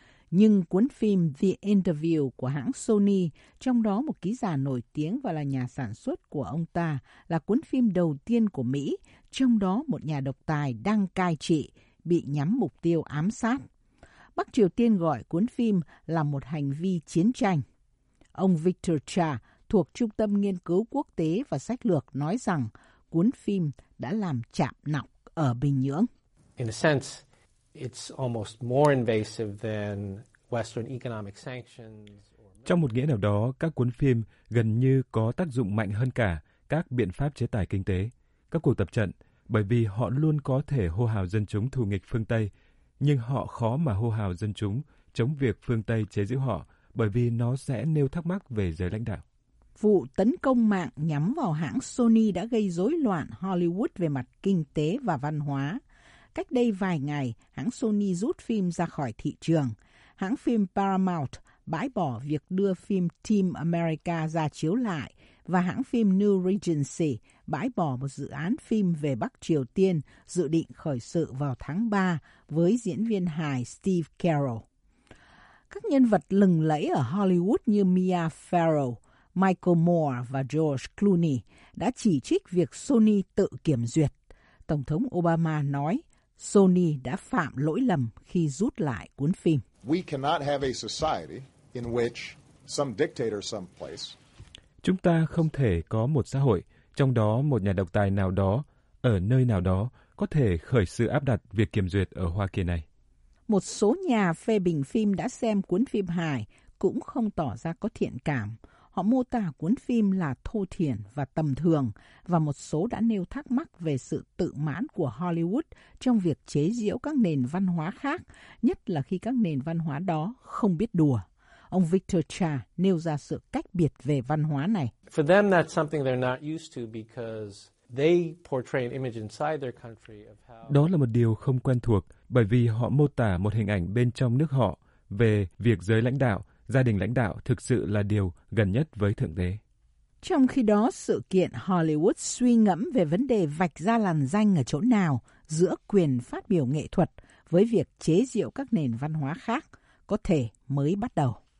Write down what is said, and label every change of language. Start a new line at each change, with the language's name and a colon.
Vietnamese: Nhưng cuốn phim The Interview của hãng Sony, trong đó một ký giả nổi tiếng và là nhà sản xuất của ông ta, là cuốn phim đầu tiên của Mỹ, trong đó một nhà độc tài đang cai trị, bị nhắm mục tiêu ám sát. Bắc Triều Tiên gọi cuốn phim là một hành vi chiến tranh. Ông Victor Cha thuộc Trung tâm Nghiên cứu Quốc tế và Sách lược nói rằng cuốn phim đã làm chạm nọc ở Bình Nhưỡng.
English: In a sense, it's almost more invasive than Western economic sanctions.
Vietnamese: Trong một nghĩa nào đó, các cuốn phim gần như có tác dụng mạnh hơn cả các biện pháp chế tài kinh tế, các cuộc tập trận, bởi vì họ luôn có thể hô hào dân chúng thù nghịch phương Tây, nhưng họ khó mà hô hào dân chúng chống việc phương Tây chế giễu họ, bởi vì nó sẽ nêu thắc mắc về giới lãnh đạo. Vụ tấn công mạng nhắm vào hãng Sony đã gây rối loạn Hollywood về mặt kinh tế và văn hóa. Cách đây vài ngày, hãng Sony rút phim ra khỏi thị trường. Hãng phim Paramount bãi bỏ việc đưa phim Team America ra chiếu lại và hãng phim New Regency bãi bỏ một dự án phim về Bắc Triều Tiên dự định khởi sự vào tháng 3 với diễn viên hài Steve Carell. Các nhân vật lừng lẫy ở Hollywood như Mia Farrow, Michael Moore và George Clooney đã chỉ trích việc Sony tự kiểm duyệt. Tổng thống Obama nói, Sony đã phạm lỗi lầm khi rút lại cuốn phim.
English: We cannot have a society in which some dictator someplace.
Vietnamese: Chúng ta không thể có một xã hội trong đó một nhà độc tài nào đó ở nơi nào đó có thể khởi sự áp đặt việc kiểm duyệt ở Hoa Kỳ này. Một số nhà phê bình phim đã xem cuốn phim hài cũng không tỏ ra có thiện cảm. Họ mô tả cuốn phim là thô thiển và tầm thường, và một số đã nêu thắc mắc về sự tự mãn của Hollywood trong việc chế giễu các nền văn hóa khác, nhất là khi các nền văn hóa đó không biết đùa. Ông Victor Cha nêu ra sự cách biệt về văn hóa này.
English: For them, that's something they're not used to because they portray an image inside their country of how.
Vietnamese: Đó là một điều không quen thuộc, bởi vì họ mô tả một hình ảnh bên trong nước họ về việc giới lãnh đạo, gia đình lãnh đạo thực sự là điều gần nhất với thượng đế. Trong khi đó, sự kiện Hollywood suy ngẫm về vấn đề vạch ra làn ranh ở chỗ nào giữa quyền phát biểu nghệ thuật với việc chế giễu các nền văn hóa khác có thể mới bắt đầu.